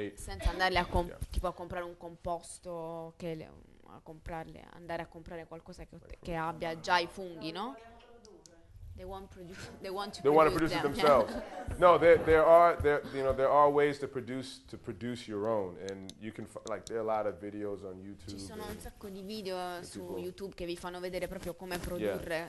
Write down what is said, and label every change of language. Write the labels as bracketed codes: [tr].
[it] Yeah, senza andare a tipo a comprare un composto che le, a comprarle, andare a comprare qualcosa che abbia già i funghi, no? [en] They want to produce it themselves. No, there are ways to produce your own, and you can there are a lot of videos on YouTube. [it] Ci sono un sacco di video su YouTube che vi fanno vedere proprio come produrre.